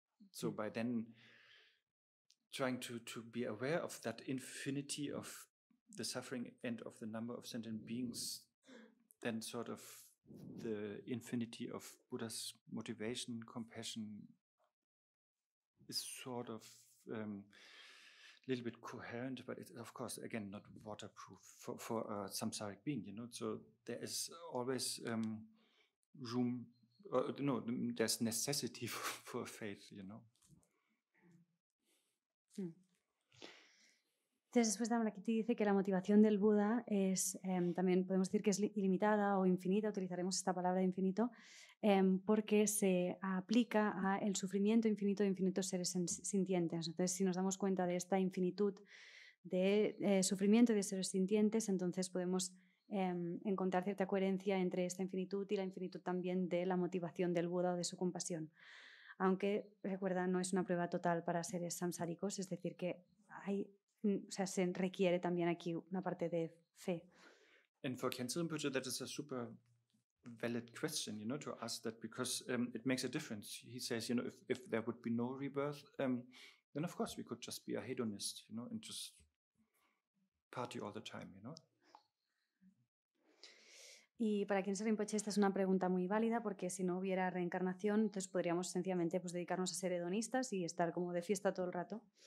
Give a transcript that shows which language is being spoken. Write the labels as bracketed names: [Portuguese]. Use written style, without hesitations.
[English] So by then trying to be aware of that infinity of the suffering and of the number of sentient beings, then sort of the infinity of Buddha's motivation, compassion, is sort of a little bit coherent, but it's of course again not waterproof for a samsaric being, you know. So there is always room, there's necessity for faith, you know. [Spanish] Entonces después Dharmakirti dice que la motivación del Buda es, también podemos decir que es ilimitada o infinita, utilizaremos esta palabra de infinito, porque se aplica al sufrimiento infinito de infinitos seres sintientes. Entonces si nos damos cuenta de esta infinitud de sufrimiento de seres sintientes, entonces podemos encontrar cierta coherencia entre esta infinitud y la infinitud también de la motivación del Buda o de su compasión. Aunque, recuerda, no es una prueba total para seres samsáricos, es decir que hay... O sea, se requiere también aquí una parte de fe. [English] And for Khyentse Rinpoche, that is a super valid question, you know, to ask that, because it makes a difference. He says, you know, if there would be no rebirth, then of course we could just be a hedonist, you know, and just party all the time, you know. [Spanish] Y para Khyentse Rinpoche esta es una pregunta muy válida, porque si no hubiera reencarnación, entonces podríamos sencillamente pues dedicarnos a ser hedonistas y estar como de fiesta todo el rato.